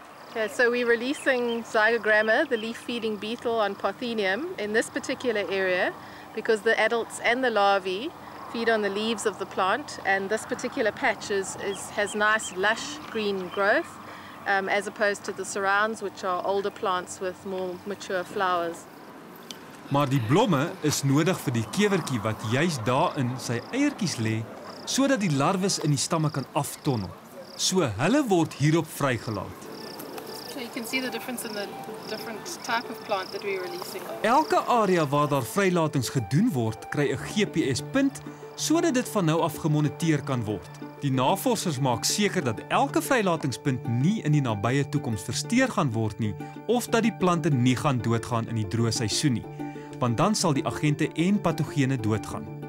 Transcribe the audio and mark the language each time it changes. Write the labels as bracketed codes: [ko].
[en] Okay, so we're releasing Zygogramma, the leaf feeding beetle on parthenium in this particular area because the adults and the larvae feed on the leaves of the plant, and this particular patch has nice lush green growth as opposed to the surrounds, which are older plants with more mature flowers. [af] Maar die blomme is nodig vir die kewerkie wat juist daarin sy eiertjies lê, sodat die larwes in die stamme kan aftonnel. So hulle word hierop vrygelaat. [en] So you can see the difference in the different type of plant that we're releasing. [af] Elke area waar daar vrylatings gedoen word, kry 'n GPS-punt sodat dit van nou af gemoniteer kan word. Die navorsers maak seker dat elke vrylatingspunt nie in die nabye toekoms versteur gaan word nie of dat die plante nie gaan doodgaan in die droë seisoen nie, want dan sal die agente en patogene doodgaan.